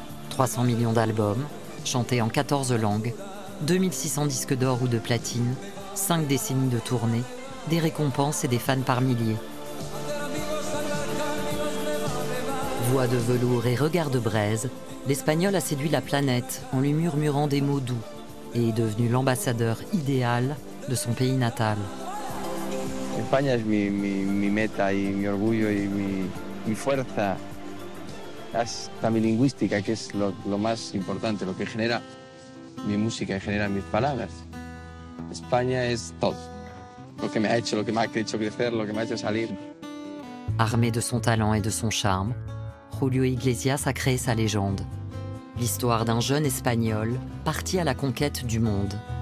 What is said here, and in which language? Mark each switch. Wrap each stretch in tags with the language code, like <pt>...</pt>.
<fr>300 millions d'albums, chantés en 14 langues, 2600 disques d'or ou de platine, 5 décennies de tournées, des récompenses et des fans par milliers. Voix de velours et regard de braise, l'Espagnol a séduit la planète en lui murmurant des mots doux et est devenu l'ambassadeur idéal de son pays natal.</fr> <es>España es mi meta y mi orgullo y mi fuerza. Hasta mi lingüística, que es lo más importante, lo que genera mi música y genera mis palabras. España es todo. Lo que me ha hecho, lo que me ha hecho crecer, lo que me ha hecho salir.</es> <fr>Armé de son talent et de son charme, Julio Iglesias a créé sa légende. L'histoire d'un jeune espagnol parti à la conquête du monde.</fr>